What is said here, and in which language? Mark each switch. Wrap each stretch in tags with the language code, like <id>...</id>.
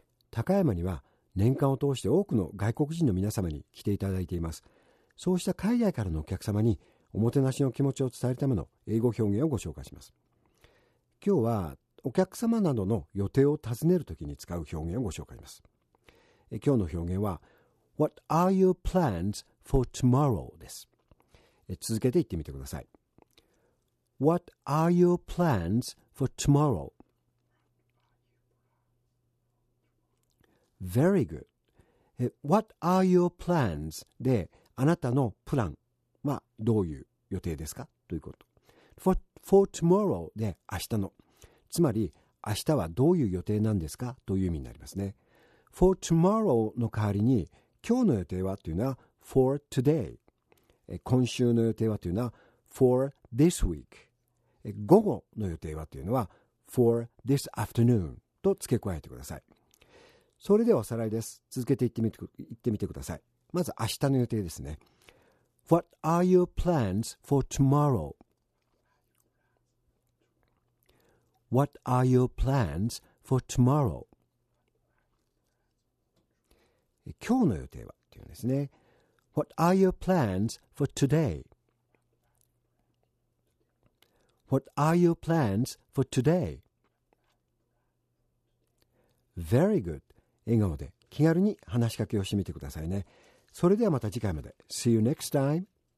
<ja>高山には年間を通して多くの外国人の皆様に来ていただいています。そうした海外からのお客様におもてなしの気持ちを伝えるための英語表現をご紹介します。今日はお客様などの予定を尋ねるときに使う表現をご紹介します。今日の表現は</ja> <en>What are your plans for tomorrow?</en> <ja>です。続けて言ってみてください。</ja> <en>What are your plans for tomorrow? Very good. What are your plans?</en> <ja>で、あなたのプランはどういう予定ですかということ。</ja> <en>For tomorrow?</en> <ja>で、明日の。つまり、明日はどういう予定なんですかという意味になりますね。 For tomorrow の代わりに、今日の予定はというのは</ja> <en>For today。</en> <ja>今週の予定はというのは</ja> <en>For this week。</en> <ja>午後の予定はというのは</ja> <en>For this afternoon</en> <ja>と付け加えてください。それではおさらいです。続けて言ってみてください。まず明日の予定ですね。</ja> <en>What are your plans for tomorrow? What are your plans for tomorrow?</en> <ja>今日の予定はというんですね。</ja> <en>What are your plans for todayWhat are your plans for today? Very good.</en> <ja>笑顔で気軽に話しかけをしてみてくださいね。それではまた次回まで。</ja> <en>See you next time.</en>